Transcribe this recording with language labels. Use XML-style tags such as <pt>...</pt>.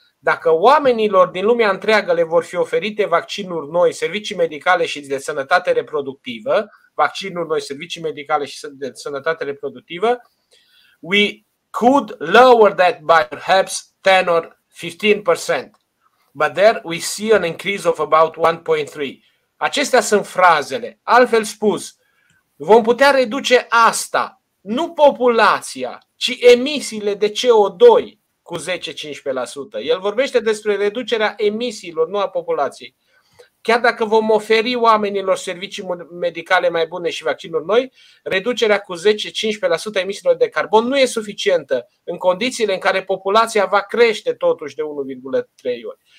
<ro>Dacă oamenilor din lumea întreagă le vor fi oferite vaccinuri noi, servicii medicale și de sănătate reproductivă, vaccinul noi, servicii medicale și de sănătate reproductivă,</ro> <en>we could lower that by perhaps 10 or 15%. But there we see an increase of about 1.3.</en> <ro>Acestea sunt frazele. Altfel spus, vom putea reduce asta, nu populația, ci emisiile de CO2 cu 10-15%. El vorbește despre reducerea emisiilor, nu a populației. chiar dacă vom oferi oamenilor servicii medicale mai bune și vaccinuri noi, reducerea cu 10-15% emisiilor de carbon nu e suficientă în condițiile în care populația va crește totuși de 1,3 ori.</ro>